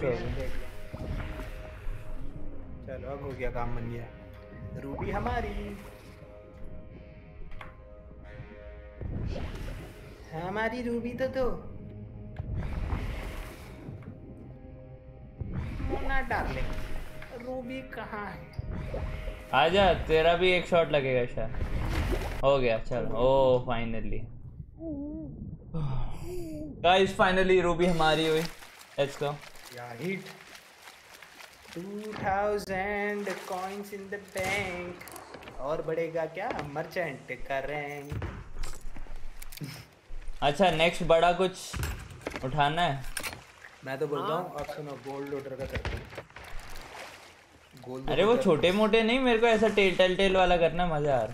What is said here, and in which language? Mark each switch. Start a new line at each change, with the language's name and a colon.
Hindi: चलो अब हो गया, काम बन गया, रूबी हमारी रूबी तो ना डाले। रूबी कहाँ है? आ जा, तेरा भी एक शॉट लगेगा शायद। हो गया, चलो। ओ फाइनली गाइस, फाइनली रूबी हमारी हुई।
English: Let's go या hit 2000 coins in the bank.
Hindi: और बढ़ेगा क्या merchant का rank? अच्छा next बड़ा कुछ उठाना है? मैं तो बोलता हूँ अब सुनो, gold loader का करते हैं। अरे वो छोटे मोटे नहीं, मेरे को ऐसा tell वाला करना मजा आ रहा